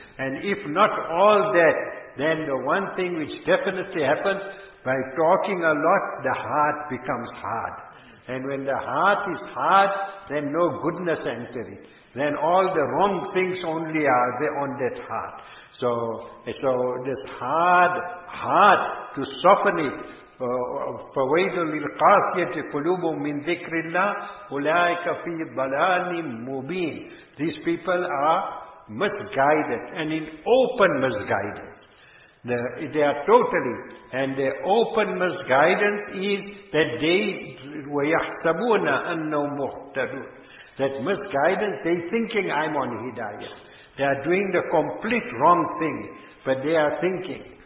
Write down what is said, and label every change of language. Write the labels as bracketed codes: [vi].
[en] And if not all that, then the one thing which definitely happens, by talking a lot, the heart becomes hard. And when the heart is hard, then no goodness enters it. Then all the wrong things only are there on that heart. So this hard heart, to soften it, [ar] فويل للقاسية قلوبهم من ذكر الله أولئك في ضلال مبين. [en] These people are misguided and in open misguidance. They are totally and their open misguidance is that they [ar] ويحسبون أنهم مهتدون. [en] That misguidance, they thinking I'm on hidayah. They are doing the complete wrong thing, but they are thinking.